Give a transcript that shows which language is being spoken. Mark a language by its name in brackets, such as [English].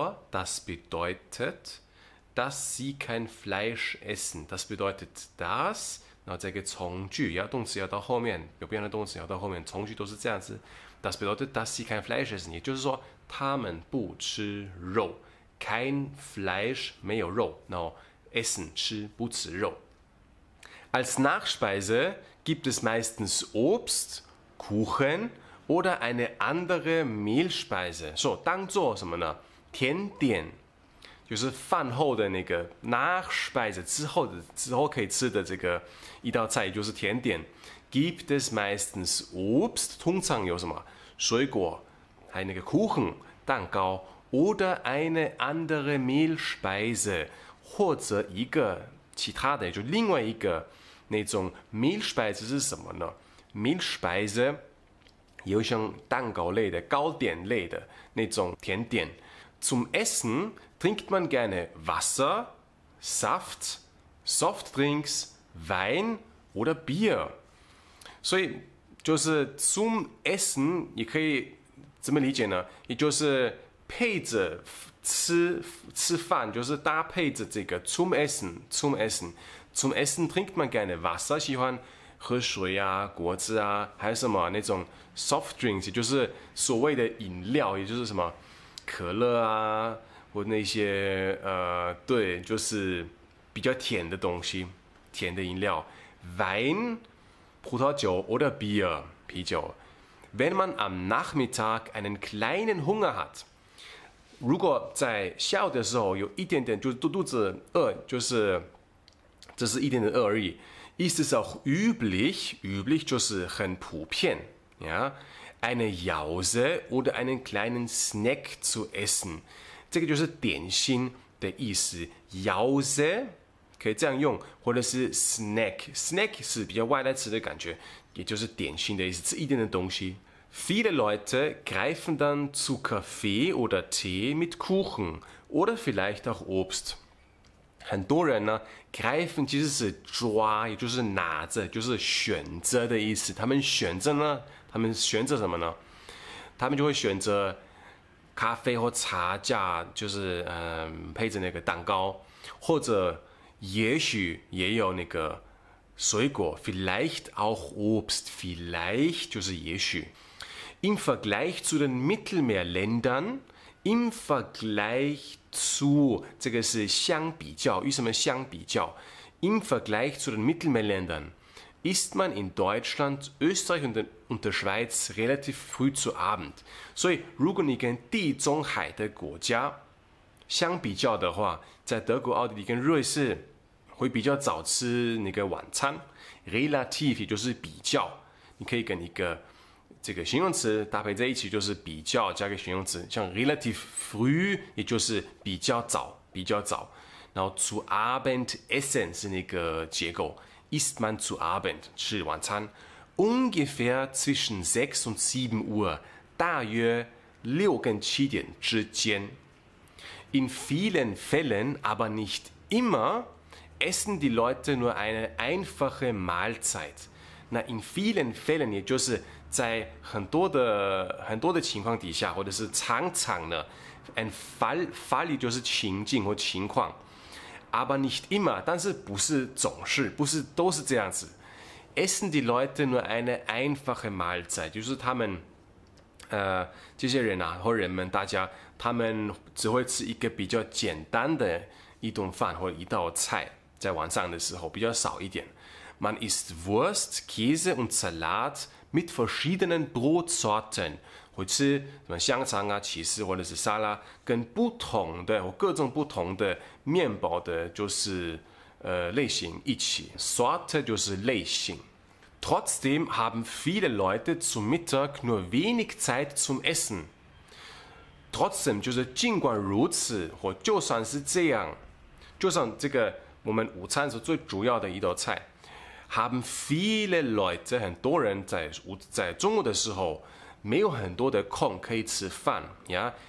[German] Das bedeutet, dass sie kein Fleisch essen. Das bedeutet das, [Chinese] 然后再一个从句, 动词要到后面, 有变的动词要到后面, 从句都是这样子, [German] das bedeutet, dass sie kein Fleisch essen, [Chinese] 也就是说他们不吃肉。 [German] Kein Fleisch, [Chinese] 没有肉, no, essen, 吃, 不吃肉. [German] Als Nachspeise gibt es meistens Obst, Kuchen oder eine andere Mehlspeise. [Chinese] So, 当做什么呢? 甜点, 就是饭后的那个 Nachspeise, 之后可以吃的这个一道菜, 就是甜点. [German] Gibt es meistens Obst, [Chinese] 通常有什么? 水果, 还有那个 Kuchen, 蛋糕, [German] oder eine andere Mehlspeise, [Chinese] 或者一个其他的, 就另外一个那种 Mehlspeise 是什么呢? Mehlspeise, 有像蛋糕类的, 糕点类的, 那种甜点. [German] Zum Essen trinkt man gerne Wasser, Saft, Softdrinks, Wein oder Bier. [Chinese] 所以, 就是 zum Essen, 你可以怎么理解呢? 也就是 配着吃饭, 就是搭配着这个, [German] zum Essen, zum Essen. Zum Essen trinkt man gerne Wasser, [Chinese] 喜欢喝水啊、果汁啊，还有什么那种 soft drinks，也就是所谓的饮料，也就是什么可乐啊，或那些对，就是比较甜的东西，甜的饮料，Wein，葡萄酒， [German] oder Bier， [Chinese] 啤酒。 [German] Wenn man am Nachmittag einen kleinen Hunger hat， [Chinese] 如果在下午的时候有一点点，就是肚子饿，就是只是一点点饿而已。 [German] Ist es auch üblich [Chinese] 就是很普遍， [German] ja, eine Jause oder einen kleinen Snack zu essen， [Chinese] 这个就是点心的意思。 Jause 可以这样用，或者是 snack 是比较外来词的感觉，也就是点心的意思，吃一点的东西。 [German] Viele Leute greifen dann zu Kaffee oder Tee mit Kuchen oder vielleicht auch Obst. [Chinese] 很多人呢，greifen 其实是抓，也就是拿着，就是选择的意思。他们选择呢，他们选择什么呢？他们就会选择咖啡或茶加，就是配着那个蛋糕，或者也许也有那个水果， [German] vielleicht auch Obst， [Chinese] vielleicht 就是也许。 [German] Im Vergleich zu den Mittelmeerländern, im Vergleich zu, [Chinese] 这个是相比较，与什么相比较？ [German] Im Vergleich zu den Mittelmeerländern ist man in Deutschland, Österreich und der Schweiz relativ früh zu Abend。 [Chinese] 所以，如果你跟地中海的国家相比较的话，在德国、奥地利跟瑞士会比较早吃那个晚餐。 Relativ 也就是比较，你可以跟一个。这个形容词搭配在一起就是比较，加个形容词，像 [German] relative früh， [Chinese] 也就是比较早，比较早。然后 [German] zu Abend essen [Chinese] 是那个结构， [German] isst man zu Abend [Chinese] 吃晚餐， [German] ungefähr zwischen 6 und 7 Uhr [Chinese] 大约6跟7点之间。 [German] In vielen Fällen, aber nicht immer, essen die Leute nur eine einfache Mahlzeit。 [Chinese] 那 [German] in vielen Fällen [Chinese] 也就是在很多的情况底下，或者是常常的，and Fall 就是情境或情况， [German] aber nicht immer， [Chinese] 但是不是总是，不是都是这样子。 [German] Essen die Leute nur eine einfache Mahlzeit， [Chinese] 就是他们这些人啊，或人们大家，他们只会吃一个比较简单的一顿饭或一道菜，在晚上的时候比较少一点。 [German] Man isst Wurst, Käse und Salat mit verschiedenen Brotsorten， [Chinese] 会吃什么香肠啊、起司或者是沙拉，跟不同的或各种不同的面包的，就是类型一起。 Sorte 就是类型。 [German] Trotzdem haben viele Leute zum Mittag nur wenig Zeit zum Essen。 [Chinese] Trotzdem 就是尽管如此，或就算是这样，就算这个我们午餐是最主要的一道菜。 [German] Haben viele Leute [Chinese] 很多人在中午的时候没有很多的空可以吃饭呀。